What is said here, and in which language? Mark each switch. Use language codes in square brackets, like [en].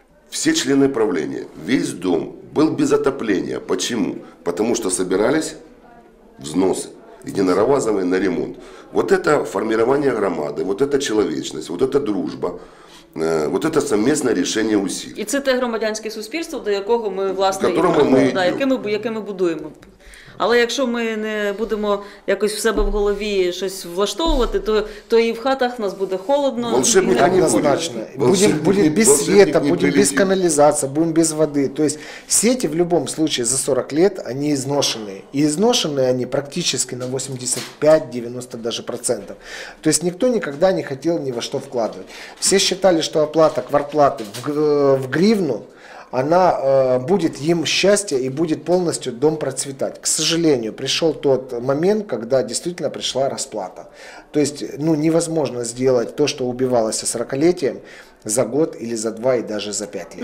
[ru] Все члены правления, весь дом был без отопления. Почему? Потому что собирались взносы единоразовые на ремонт. Вот это формирование громады, вот это человечность, вот это дружба, вот это совместное решение усилий. [uk] И это те громадянське суспільство, до якого ми власне, яке ми будуємо. Але якщо ми не будемо якось в себе в голові щось влаштовувати, то і в хатах у нас буде холодно. Волшебника не буде. Будемо без світа, будемо без каналізації, будемо без води. Тобто сіті в будь-якому випадку за 40 років, вони зношені. І зношені вони практично на 85-90%. Тобто ніхто ніколи не хотів ні во що вкладати. Всі вважали, що оплата квартплати в гривню, [ru] она будет им счастье и будет полностью дом процветать. К сожалению, пришел тот момент, когда действительно пришла расплата. То есть ну, невозможно сделать то, что убивалось 40-летием, за год или за два и даже за пять лет.